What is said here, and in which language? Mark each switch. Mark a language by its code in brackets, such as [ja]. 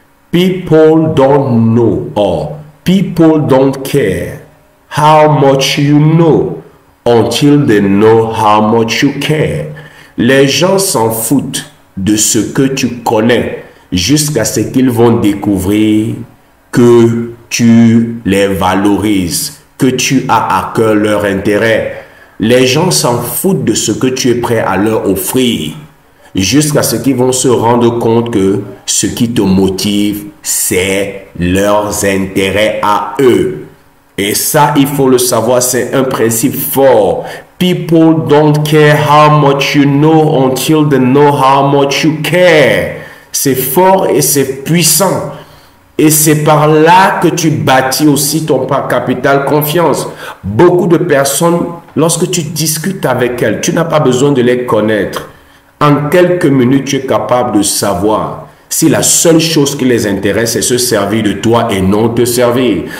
[en] People don't know or people don't care how much you know until they know how much you care. [fr] Les gens s'en foutent de ce que tu connais, jusqu'à ce qu'ils vont découvrir que tu les valorises, que tu as à cœur leur intérêt. Les gens s'en foutent de ce que tu es prêt à leur offrir, jusqu'à ce qu'ils vont se rendre compte que ce qui te motive, c'est leurs intérêts à eux. Et ça, il faut le savoir, c'est un principe fort. [en] People don't care how much you know until they know how much you care. [fr] C'est fort et c'est puissant. Et c'est par là que tu bâtis aussi ton capital confiance. Beaucoup de personnes, lorsque tu discutes avec elles, tu n'as pas besoin de les connaître. En quelques minutes, tu es capable de savoir si la seule chose qui les intéresse, c'est se servir de toi et non te servir.